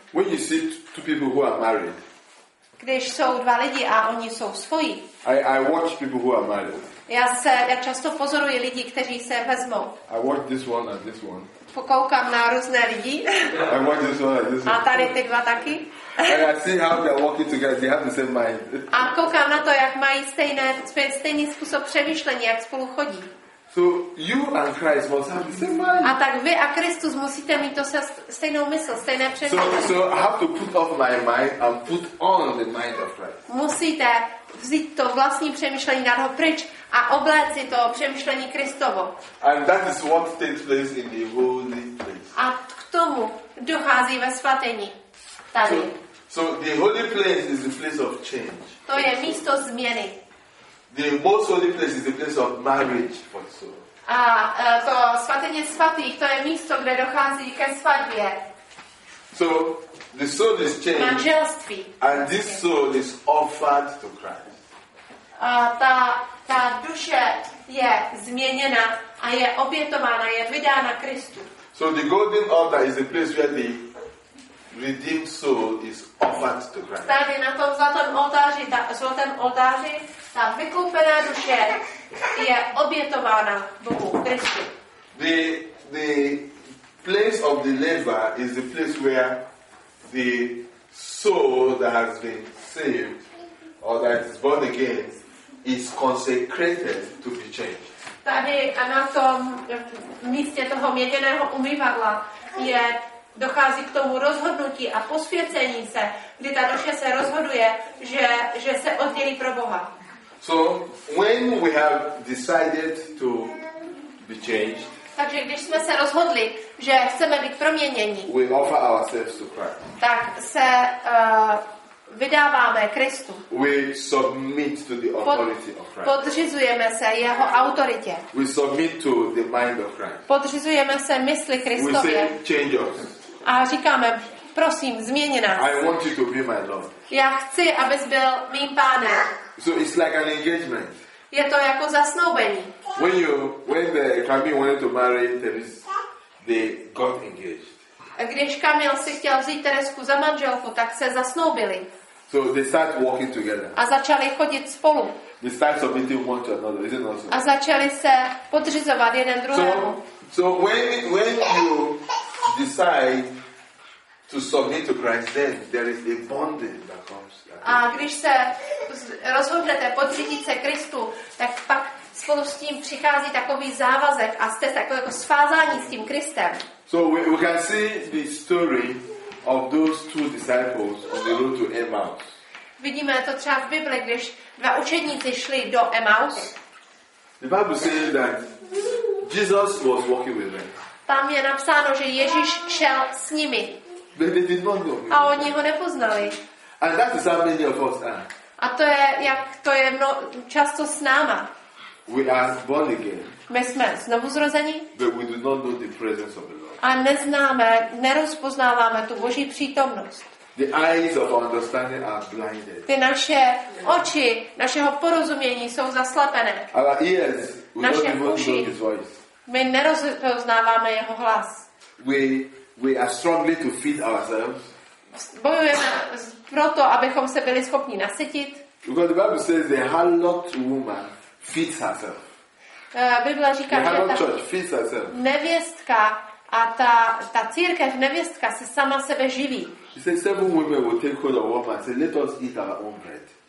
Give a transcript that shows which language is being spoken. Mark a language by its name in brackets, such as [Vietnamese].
[English] When you see two people who are married. [Czech] Když jsou dva lidi a oni jsou svoji. [English] I watch people who are married. [Czech] Já často pozoruji lidi, kteří se vezmou. [English] I watch this one and this one. [Czech] Pokoukám na různé lidi. [English] I watch this one and this one. [Czech] A tady ty dva taky. [English] And I see how they are walking together. They have the same mind. [Czech] A koukám na to, jak mají stejný způsob přemýšlení, jak spolu chodí. [English] So you and Christ must have the same mind. [Czech] A tak vy a Kristus musíte mít to stejnou mysl, stejné přemýšlení. [English] So I have to put off my mind and put on the mind of Christ. [Czech] Musíte vzít to vlastní přemýšlení na ho pryč a obléct si to přemýšlení Kristovo. [English] And that is what takes place in the holy place. [Czech] A k tomu dochází ve svatyni. Tady. [English] So the holy place is the place of change. [Czech] To je místo změny. [English] The most holy place is the place of marriage for the soul. [Czech] A to svatyně svatých, to je místo, kde dochází ke svatbě. [English] So the soul is changed. [Czech] Manželství. [English] And this soul is offered to Christ. [Czech] A ta duše je změněna a je obětována, je vydána Kristu. [English] So the golden altar is the place where the redeemed soul is offered to Christ. [Czech] Tady na tom zlatém oltáři ta vykoupená duše je obětována Bohu Kristu. [English] The place of the laver is the place where the soul that has been saved or that is born again is consecrated to be changed. [Czech] Tady a na tom místě toho měděného umývadla je dochází k tomu rozhodnutí a posvěcení se, kdy ta duše se rozhoduje, že se oddělí pro Boha. [English] So when we have decided to be changed, [Czech] takže když jsme se rozhodli, že chceme být proměněni, [English] we offer ourselves to Christ. [Czech] Tak se vydáváme Kristu. [English] We submit to the authority of Christ. [Czech] Podřizujeme se jeho autoritě. [English] We submit to the mind of Christ. [Czech] Podřizujeme se mysli Kristově. [English] We say, change us. [Czech] A říkáme, prosím, změni nás. [English] I want you to be my Lord. [Czech] Já chci, abys byl mým pánem. [English] So it's like an engagement. [Czech] Je to jako zasnoubení. [English] When the Camille wanted to marry Teresa, they got engaged. [Czech] Když Camille si chtěl vzít Teresku za manželku, tak se zasnoubili. [English] So they start walking together. [Czech] A začali chodit spolu. [English] They start submitting one to another, isn't it? [Czech] A začali se podřizovat jeden druhému. [English] So when you decide to submit to Christ, then there is a bonding that comes. [Czech] A když se rozhodnete podřídit se Kristu, tak pak spolu s tím přichází takový závazek a jste takový jako svázání s tím Kristem. [English] So we can see the story of those two disciples on the road to Emmaus. [Czech] Vidíme to třeba v Bibli, když dva učedníci šli do Emmaus. [English] The Bible says that Jesus was walking with them. [Czech] Tam je napsáno, že Ježíš šel s nimi. [English] They did not know him. [Czech] A oni ho nepoznali. [English] And that is how many of us are. [Czech] A to je jak to je no, často s náma. [English] We are born again. [Czech] My jsme znovu zrození. [English] But we do not know the presence of the Lord. [Czech] A neznáme, nerozpoznáváme tu Boží přítomnost. [English] The eyes of understanding are blinded. [Czech] Ty naše oči, našeho porozumění jsou zaslepené. [English] Our ears, we [Czech] naše [English] don't even [Czech] uši, [English] know his voice. [Czech] My nerozpoznáváme jeho hlas. [English] We are struggling to feed ourselves. [Czech] Bojujeme proto, abychom se byli schopni nasytit. [English] Because the Bible says the harlot woman feeds herself. [Czech] Bible říká, [English] the [Czech] že ta [English] church feeds herself. [Czech] Nevěstka a ta církev nevěstka se sama sebe živí. [English] She says seven women will take hold of one man and say, let us eat our own bread.